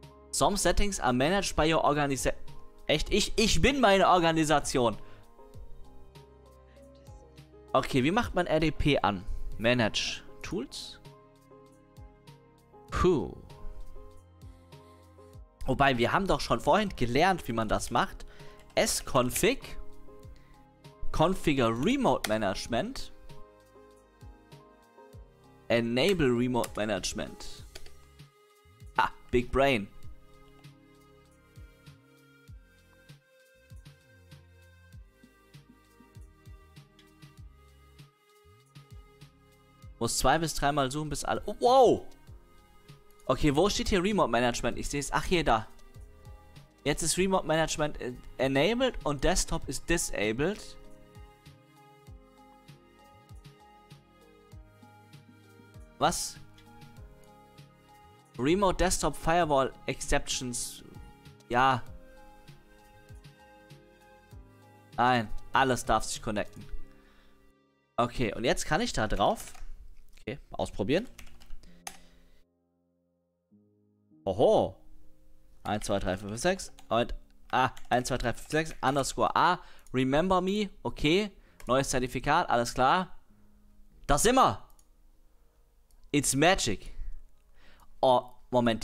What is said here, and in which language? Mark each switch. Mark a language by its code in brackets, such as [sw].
[en] Some settings are managed by your organization. [de] Echt? Ich bin meine Organisation. Okay, wie macht man RDP an? Manage Tools? Puh. Wobei, wir haben doch schon vorhin gelernt, wie man das macht. [en] Sconfig. Configure Remote Management. Enable Remote Management. Ha, Big Brain. [de] Muss 2 bis 3 Mal suchen, bis alle... Wow! Okay, wo steht hier Remote Management? Ich sehe es... Ach, hier, da. Jetzt ist Remote Management enabled und Desktop ist disabled. was Remote Desktop Firewall Exceptions, ja. Nein, alles darf sich connecten. Okay, und jetzt kann ich da drauf. Okay, ausprobieren. Oho. 1, 2, 3, 4, 5, 6. Und, 1, 2, 3, 5, 6. Underscore A. Remember me. Okay. Neues Zertifikat. Alles klar. Das immer. [en] It's magic. [de] Oh, Moment.